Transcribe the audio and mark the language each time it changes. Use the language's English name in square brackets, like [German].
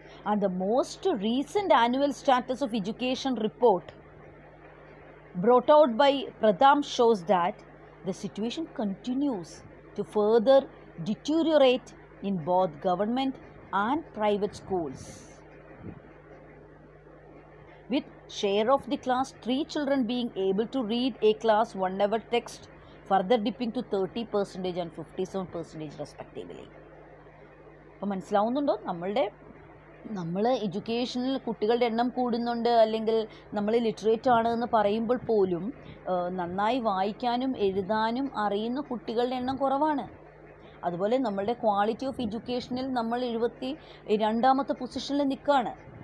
[English] And the most recent annual status of education report brought out by Pratham shows that the situation continues to further deteriorate in both government and private schools. With share of the class 3 children being able to read a class 1-hour text, further dipping to 30% and 57% respectively. [Malayalam] അപ്പോൾ മനസ്സിലാവുന്നുണ്ടോ, നമ്മൾ എഡ്യൂക്കേഷനിൽ കുട്ടികളുടെ എണ്ണം കൂടുന്നുണ്ട് അല്ലെങ്കിൽ നമ്മൾ literate ആണ് എന്ന് പറയുമ്പോൾ പോലും നന്നായി വായിക്കാനും എഴുതാനും അറിയുന്ന കുട്ടികളുടെ എണ്ണം കുറവാണ്. അതുപോലെ നമ്മളുടെ [English] quality of എഡ്യൂക്കേഷനിൽ [Malayalam] നമ്മൾ 72nd പൊസിഷനിൽ നിൽക്കുകയാണ്.